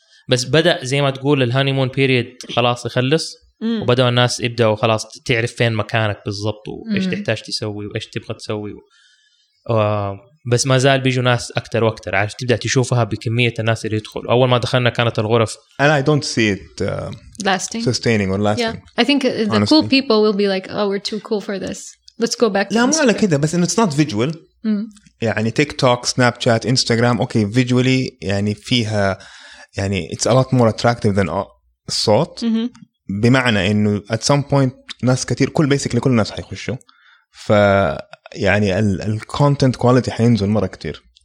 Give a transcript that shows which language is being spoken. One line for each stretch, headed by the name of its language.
Arabic: بس بدأ زي ما تقول الهانيمون بيريد خلاص يخلص وبدأوا الناس يبدأوا خلاص تعرف فين مكانك بالضبط وإيش تحتاج تسوي وإيش تبغى تسوي بس ما زال بيجوا ناس أكتر وأكتر عارف تبدأ تشوفها بكمية الناس اللي يدخل أول ما دخلنا كانت الغرف
English: and I don't see it lasting sustaining or lasting yeah. I think the honestly. Cool people will be like oh we're too cool for this let's go back
Arabic: لا مو على كده بس إنه
English: it's not visual
Arabic: يعني تيك توك سناب شات إنستغرام أوكي visually يعني فيها يعني
English: it's a lot more attractive than
Arabic: الصوت بمعنى إنه
English: at some point
Arabic: ناس كتير كل basically كل الناس حيخشوا ف يعني ال
English: content quality
Arabic: حينزل مرة كتير